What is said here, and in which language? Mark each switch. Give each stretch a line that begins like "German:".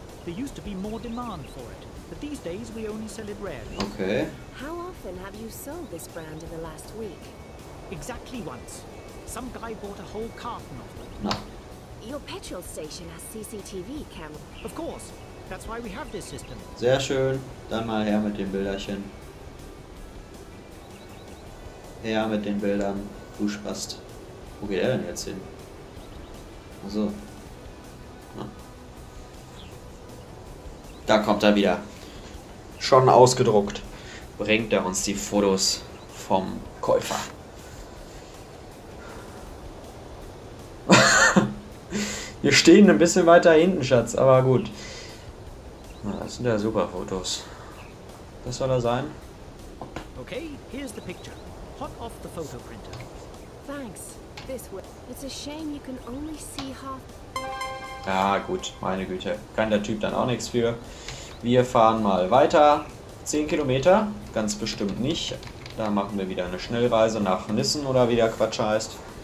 English: There used to be more demand for it, but these days we only sell it rarely. Okay. How often have you sold this brand in the last week? Exactly once. Some guy bought a whole carton of them. No. Your petrol station has CCTV cameras. Of course. That's why we have this system.
German: Sehr schön. Dann mal her mit den Bilderchen. Her mit den Bildern. Du Spast. Wo geht er denn jetzt hin? Achso. Ja. Da kommt er wieder. Schon ausgedruckt. Bringt er uns die Fotos vom Käufer. Wir stehen ein bisschen weiter hinten, Schatz. Aber gut. Das sind ja super Fotos. Das soll er sein.
English: Okay, here's the picture. Hot off the photo printer. Thanks. It's a shame you can only see half.
German: Ja, gut, meine Güte. Kann der Typ dann auch nichts für. Wir fahren mal weiter. 10 Kilometer? Ganz bestimmt nicht. Da machen wir wieder eine Schnellreise nach Nissen oder wie der Quatsch heißt.